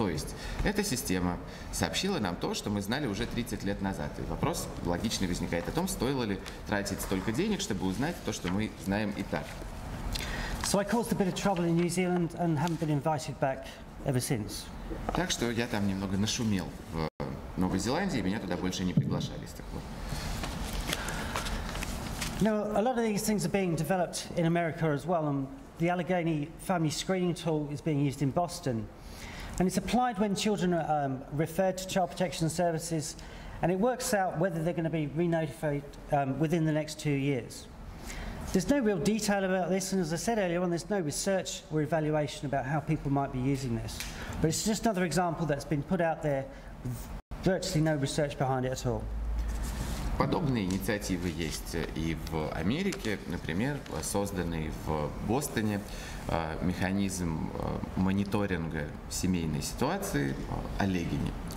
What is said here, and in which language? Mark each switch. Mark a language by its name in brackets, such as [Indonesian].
[Russian] То есть эта система сообщила нам то, что мы знали уже 30 лет назад. И вопрос логично возникает о том, стоило ли тратить столько денег, чтобы узнать то, что мы знаем и так. [English] So I caused a bit of trouble in New Zealand and haven't been invited back ever since. [Russian] Так что я там немного нашумел в Новой Зеландии, и меня туда больше не приглашали с тех пор. [English] Now, a lot of these things are being developed in America as well, and the Allegheny Family Screening Tool is being used in Boston. And it's applied when children are referred to Child Protection Services, and it works out whether they're going to be re-notified within the next 2 years. There's no real detail about this, and as I said earlier on, there's no research or evaluation about how people might be using this. But it's just another example that's been put out there with virtually no research behind it at all. [Russian] Подобные инициативы есть и в Америке, например, созданный в Бостоне механизм мониторинга семейной ситуации Allegheny.